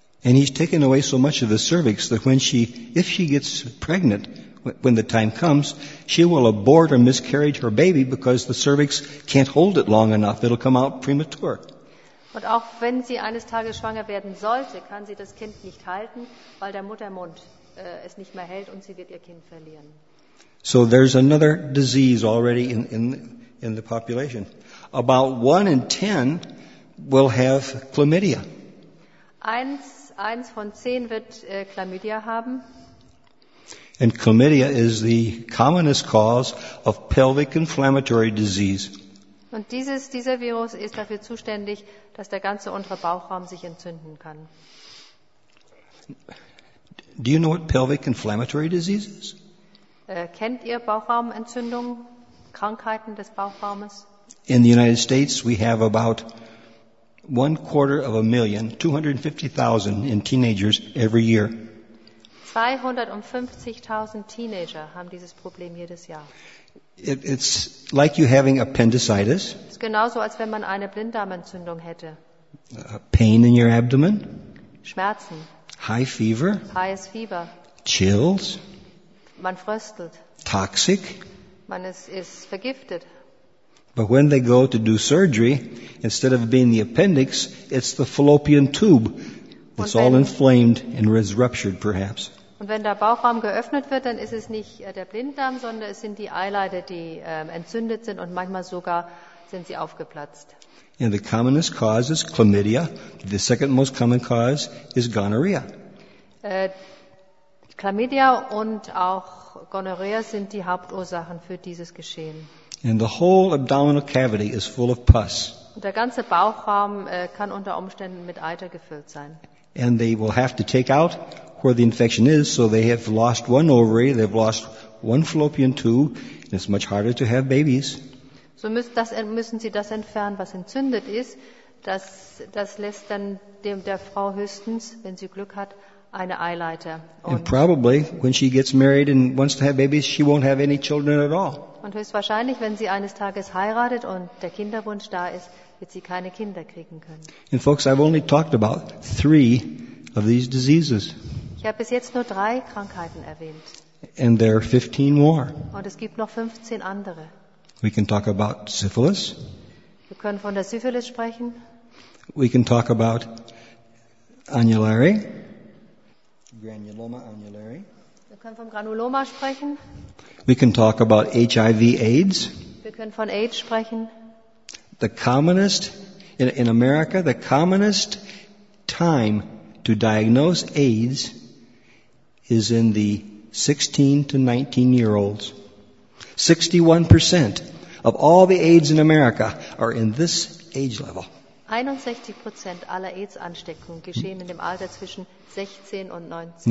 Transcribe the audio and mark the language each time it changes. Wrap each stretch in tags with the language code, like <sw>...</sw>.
<en>And he's taken away so much of the cervix that if she gets pregnant, when the time comes, she will abort or miscarry her baby because the cervix can't hold it long enough. It'll come out premature.</en> <de>Und auch wenn sie eines Tages schwanger werden sollte, kann sie das Kind nicht halten, weil der Muttermund es nicht mehr hält und sie wird ihr Kind verlieren.</de> <en>So there's another disease already in the population. About 1 in 10 will have chlamydia.</en> <de>Eins von zehn wird Chlamydia haben.</de> <en>And chlamydia is the commonest cause of pelvic inflammatory disease.</en> <de>Und dieser Virus ist dafür zuständig, dass der ganze untere Bauchraum sich entzünden kann.</de> <en>Do you know what pelvic inflammatory disease is?</en> <de>Kennt ihr Bauchraumentzündungen, Krankheiten des Bauchraumes?</de> <en>In the United States, we have about 250,000 in teenagers every year.</en> <de>250,000 Teenager haben dieses Problem jedes Jahr.</de> <en>It's like you having appendicitis.</en> <de>Es ist genauso, als wenn man eine Blinddarmentzündung hätte.</de> <en>Pain in your abdomen.</en> <de>Schmerzen.</de> <en>High fever.</en> <de>Hohes Fieber.</de> <en>Chills.</en> <de>Man fröstelt.</de> <en>Toxic.</en> <de>Man ist vergiftet.</de> <en>But when they go to do surgery, instead of being the appendix, it's the fallopian tube that's all inflamed and is ruptured, perhaps.</en> <de>Und wenn der Bauchraum geöffnet wird, dann ist es nicht der Blinddarm, sondern es sind die Eileiter, die entzündet sind und manchmal sogar sind sie aufgeplatzt.</de> <en>And the commonest cause is chlamydia. The second most common cause is gonorrhea.</en> <de>Chlamydia und auch Gonorrhea sind die Hauptursachen für dieses Geschehen.</de> <en>And the whole abdominal cavity is full of pus.</en> <de>Der ganze Bauchraum kann unter Umständen mit Eiter gefüllt sein.</de> <en>And they will have to take out where the infection is, so they have lost one ovary, they've lost one fallopian tube, and it's much harder to have babies.</en> <de>So müssen sie das entfernen, was entzündet ist. Das lässt dann der Frau höchstens, wenn sie Glück hat, eine Eileiter.</de> <en>And probably, when she gets married and wants to have babies, she won't have any children at all.</en> <de>Und höchstwahrscheinlich, wenn sie eines Tages heiratet und der Kinderwunsch da ist, wird sie keine Kinder kriegen können.</de> <en>And folks, I've only talked about three of these diseases.</en> <de>Ich Ich habe bis jetzt nur 3 Krankheiten erwähnt.</de> <en>And there are 15 more.</en> <de>Und es gibt noch 15 andere.</de> <en>We can talk about syphilis.</en> <de>Wir können von der Syphilis sprechen.</de> <en>We can talk about annulare.</en> <la>Granuloma annulare.</la> <de>Wir können vom Granuloma sprechen.</de> <en>We can talk about HIV AIDS.</en> <de>Wir können von AIDS sprechen.</de> <en>The commonest in America, the commonest time to diagnose AIDS is in the 16 to 19 year olds. 61% of all the AIDS in America are in this age level.</en> <de>61% aller AIDS-Ansteckungen geschehen in dem Alter zwischen 16 und 19.</de>